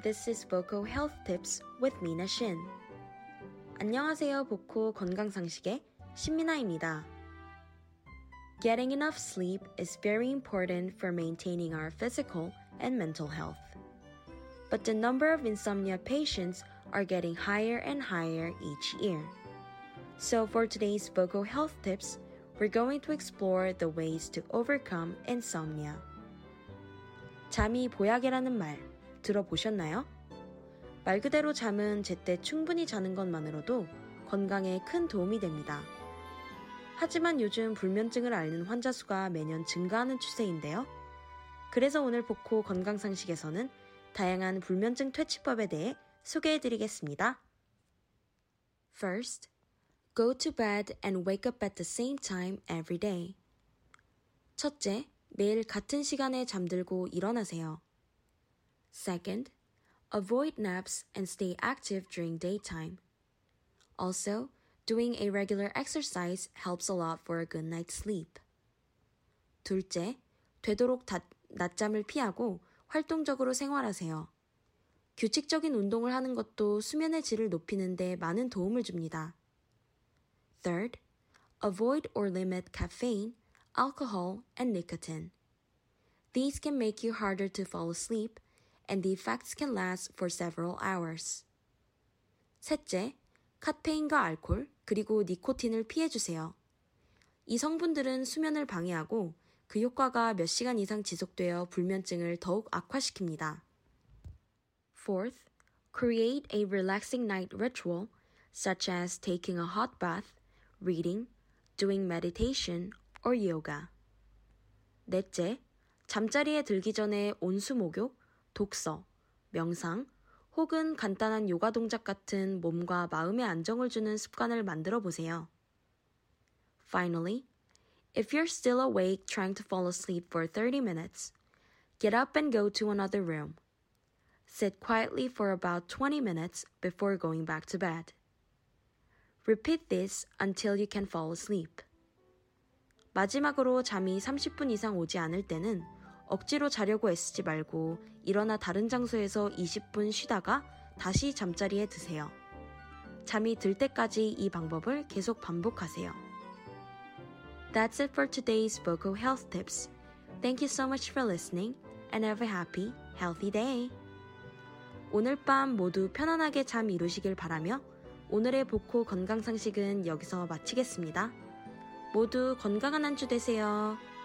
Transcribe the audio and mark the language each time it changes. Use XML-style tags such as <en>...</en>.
<en>This is Voco Health Tips with Mina Shin.</en> <ko>안녕하세요. 보코 건강 상식의 신미나입니다.</ko> <en>Getting enough sleep is very important for maintaining our physical and mental health. But the number of insomnia patients are getting higher and higher each year. So for today's Voco Health Tips, we're going to explore the ways to overcome insomnia.</en> <ko>잠이 보약이라는 말 들어보셨나요? 말 그대로 잠은 제때 충분히 자는 것만으로도 건강에 큰 도움이 됩니다. 하지만 요즘 불면증을 앓는 환자 수가 매년 증가하는 추세인데요. 그래서 오늘 보코 건강상식에서는 다양한 불면증 퇴치법에 대해 소개해드리겠습니다.</ko> <en>First, go to bed and wake up at the same time every day.</en> <ko>첫째, 매일 같은 시간에 잠들고 일어나세요.</ko> <en>Second, avoid naps and stay active during daytime. Also, doing a regular exercise helps a lot for a good night's sleep.</en> <ko>둘째, 되도록 낮잠을 피하고 활동적으로 생활하세요. 규칙적인 운동을 하는 것도 수면의 질을 높이는 데 많은 도움을 줍니다.</ko> <en>Third, avoid or limit caffeine, alcohol, and nicotine. These can make you harder to fall asleep, and the effects can last for several hours.</en> <ko>셋째, 카페인과 알코올, 그리고 니코틴을 피해주세요. 이 성분들은 수면을 방해하고 그 효과가 몇 시간 이상 지속되어 불면증을 더욱 악화시킵니다.</ko> <en>Fourth, create a relaxing night ritual, such as taking a hot bath, reading, doing meditation, or yoga.</en> <ko>넷째, 잠자리에 들기 전에 온수목욕, 독서, 명상, 혹은 간단한 요가 동작 같은 몸과 마음의 안정을 주는 습관을 만들어 보세요.</ko> <en>Finally, if you're still awake trying to fall asleep for 30 minutes, get up and go to another room. Sit quietly for about 20 minutes before going back to bed. Repeat this until you can fall asleep.</en> <ko>마지막으로 잠이 30분 이상 오지 않을 때는 억지로 자려고 애쓰지 말고 일어나 다른 장소에서 20분 쉬다가 다시 잠자리에 드세요. 잠이 들 때까지 이 방법을 계속 반복하세요.</ko> <en>That's it for today's Voco Health Tips. Thank you so much for listening and have a happy, healthy day.</en> <ko>오늘 밤 모두 편안하게 잠 이루시길 바라며 오늘의 보코 건강 상식은 여기서 마치겠습니다. 모두 건강한 한 주 되세요.</ko>